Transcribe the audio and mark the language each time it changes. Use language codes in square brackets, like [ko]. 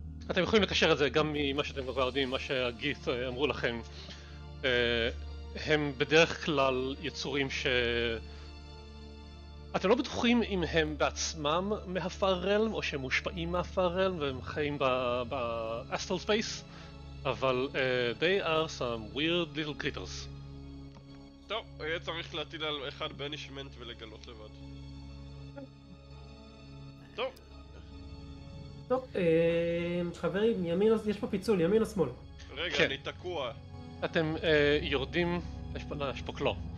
[he] אתם יכולים לקשר את זה גם ממה שאתם כבר יודעים, מה שהגית אמרו לכם. הם בדרך כלל יצורים ש... אתם לא בטוחים אם הם בעצמם מהפארלם, או שהם מושפעים מהפארלם, והם חיים באסטרל ספייס? אבל [en] they are some weird little critters. [he] טוב, יהיה צריך להטיל על אחד בנישמנט ולגלות לבד. טוב, חברים, ימין, יש פה פיצול, ימין או שמאל? רגע, כן. אני תקוע. אתם יורדים, יש פה קלו.